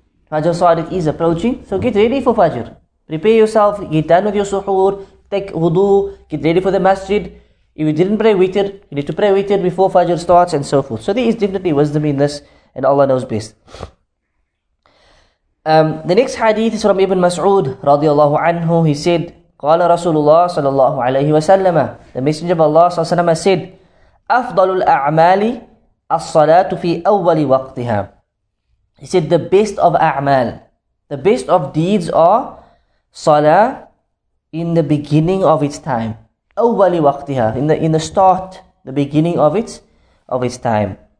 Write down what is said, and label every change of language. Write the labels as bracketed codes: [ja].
[en] Fajr Sadiq is approaching. So get ready for Fajr. Prepare yourself. Get done with your suhoor. Take wudu. Get ready for the masjid. If you didn't pray witr, you need to pray witr before Fajr starts, and so forth. So there is definitely wisdom in this, and Allah knows best. The next hadith is from Ibn Mas'ud radiallahu anhu. He said, [ar] قال رسول الله صلى الله عليه وسلم, [en] the Messenger of Allah [ar] صلى الله عليه وسلم said, أفضل الأعمال الصلاة في أول وقتها. [en] He said the best of أعمال, the best of deeds are صلاة in the beginning of its time. [ar] أول وقتها, [en] in the start, the beginning of its time.